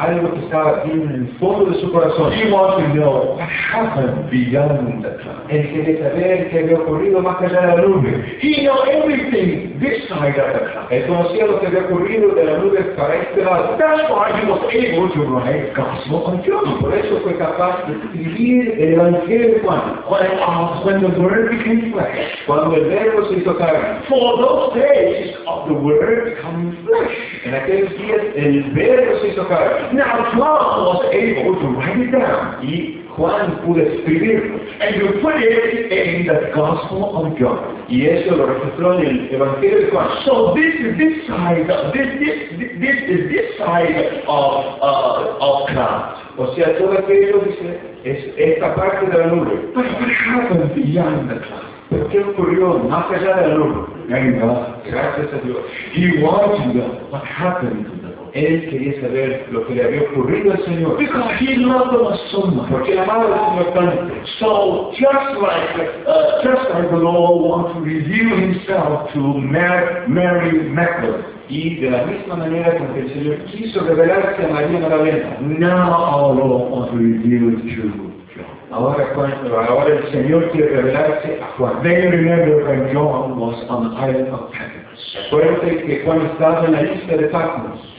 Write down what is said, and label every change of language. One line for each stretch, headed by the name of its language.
Spanish: Algo que estaba en el fondo de su corazón.
English: He wants to know what happened beyond the cloud.
Spanish: Él quiere saber qué había ocurrido más allá de la nube.
English: He knew everything this side of the cloud.
Spanish: Él conocía lo que había ocurrido de la nube para este lado.
English: That's why he was able to write the Gospel of John.
Spanish: Por eso fue capaz de escribir el Evangelio de Juan.
English: When the Word became flesh.
Spanish: Cuando el Verbo se hizo carne.
English: For those days of the Word become flesh.
Spanish: En aquellos días el Verbo se hizo carne.
English: Now John was able to write it down.
Spanish: Y Juan pudo escribir.
English: And you put it in the Gospel of John.
Spanish: Y eso lo registró en el Evangelio de Juan.
English: So this is this side of cloud.
Spanish: O sea, todo aquello dice es esta parte de la nube.
English: But what happened beyond the cloud?
Spanish: ¿Pero qué ocurrió más allá de la nube? Venga. Gracias a Dios.
English: He wanted to know what happened to the Lord.
Spanish: Él quería saber lo que le había ocurrido al Señor.
English: Because he loved us so much.
Spanish: Porque amaba al Señor tanto.
English: So just like the Lord wants to reveal himself to Mary Magdalene.
Spanish: Y de la misma manera con que el Señor quiso revelarse a María Magdalena.
English: Now our Lord wants to reveal to John.
Spanish: Ahora el Señor quiere revelarse a Juan.
English: Then you remember when John was on the island of Patmos.
Spanish: Acuérdate que Juan estaba en la isla de Patmos.